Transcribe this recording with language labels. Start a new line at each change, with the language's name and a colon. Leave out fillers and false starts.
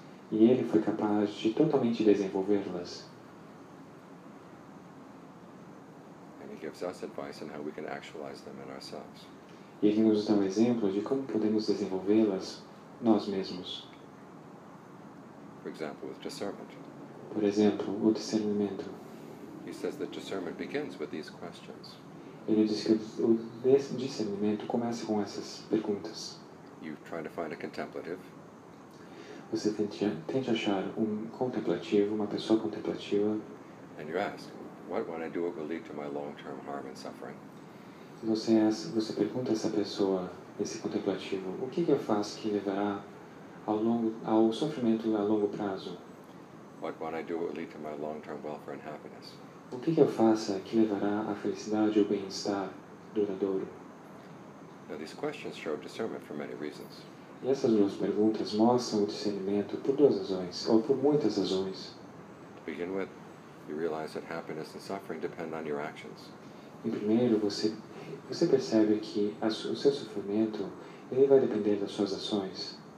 Portuguese: E ele foi capaz de totalmente desenvolvê-las.
English: And he gives us advice on how we can actualize them in ourselves.
Portuguese: E ele nos dá um exemplo de como podemos desenvolvê-las nós mesmos.
English: For example, with discernment.
Portuguese: Por exemplo, o discernimento.
English: He says that discernment begins with these questions.
Portuguese: Ele diz que o discernimento começa com essas perguntas.
English: You try to find a contemplative.
Portuguese: Você tenta achar um contemplativo, uma pessoa contemplativa.
English: And you ask, what would I do that will lead to my long-term harm and suffering?
Portuguese: Você pergunta a essa pessoa, esse contemplativo, o que eu faço que levará ao sofrimento a longo prazo?
English: What would I do that will lead to my long-term welfare and happiness?
Portuguese: O que eu faço que levará à felicidade ou bem-estar duradouro?
English: Now these questions show discernment for many reasons.
Portuguese: E essas duas perguntas mostram o discernimento por duas razões, ou por muitas razões.
English: To begin with, you realize that happiness and suffering depend on your actions.
Portuguese: Em primeiro, você percebe que o seu sofrimento ele vai depender das suas ações.